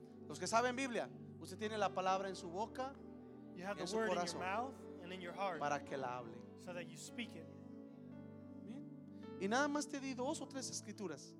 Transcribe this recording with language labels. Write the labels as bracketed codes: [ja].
[es] Los que saben Biblia, usted tiene la palabra en su boca, [en] you have the word in your mouth and in your heart, [es] para que la hable. So that you speak it. Bien. Y nada más te di dos o tres escrituras.